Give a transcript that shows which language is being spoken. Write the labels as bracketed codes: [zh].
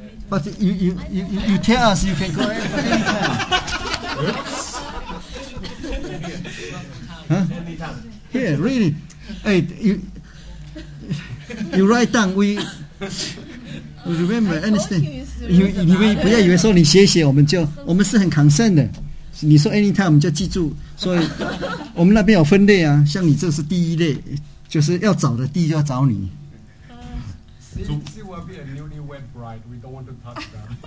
[en] But you tell us you can go anytime. Oops. Huh? Yeah, really. Hey, you write down, we remember anything. You [zh] 不要说你谢谢，我们是很 concern 的。你说 anytime 我们就记住，所以我们那边有分类啊。像你这是第一类，就是要找的，第一就要找你。 [en] She will be a newly wed bride. We don't want to touch that.